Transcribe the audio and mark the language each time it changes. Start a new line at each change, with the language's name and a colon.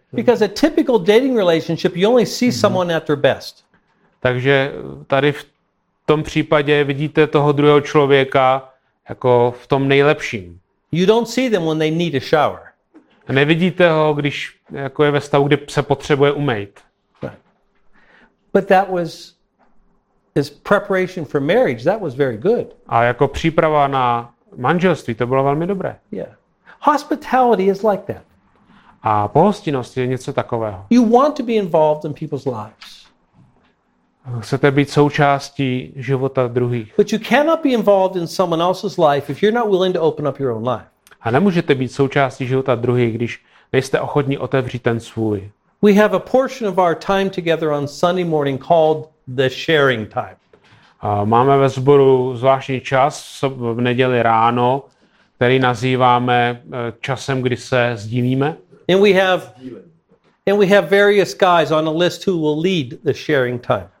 English: Because a typical dating relationship you only see someone at their best.
Czech: Takže tady v tom případě vidíte toho druhého člověka jako v tom nejlepším.
English: You don't see them when they need a shower.
Czech: A nevidíte ho, když jako je ve stavu, kdy se potřebuje umýt.
English: But that was his preparation for marriage, that was very good.
Czech: A jako příprava na manželství, to bylo velmi dobré.
English: Yeah. Hospitality is like that.
Czech: A pohostinnost je něco takového.
English: You want to be involved in people's lives.
Czech: Chcete být součástí života druhých.
English: But you cannot be involved in someone else's life if you're not willing to open up your own life.
Czech: A nemůžete být součástí života druhých, když nejste ochotní otevřít ten svůj.
English: We have a portion of our time together on Sunday morning called the sharing time.
Czech: Máme ve sboru zvláštní čas v neděli ráno, který nazýváme časem, kdy se sdílíme.
English: And we have various guys on a list who will lead the sharing time.